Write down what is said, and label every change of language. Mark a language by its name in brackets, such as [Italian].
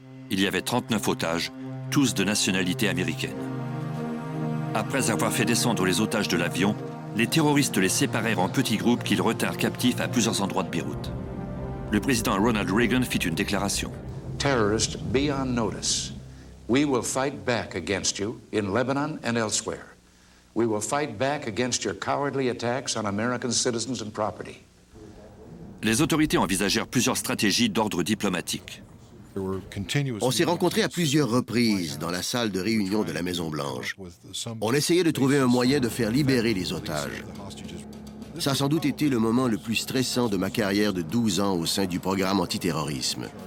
[French] il y avait 39 otages, tous de nationalité américaine. Après avoir fait descendre les otages de l'avion, les terroristes les séparèrent en petits groupes qu'ils retinrent captifs à plusieurs endroits de Beyrouth. Le président Ronald Reagan fit une déclaration. [English] Terrorists, be on notice. We will fight back against you in Lebanon and elsewhere. We will fight back against your cowardly attacks on American citizens and property. [French] Les autorités envisagèrent plusieurs stratégies d'ordre diplomatique. On s'est rencontrés à plusieurs reprises dans la salle de réunion de la Maison-Blanche. On essayait de trouver un moyen de faire libérer les otages. Ça a sans doute été le moment le plus stressant de ma carrière de 12 ans au sein du programme antiterrorisme.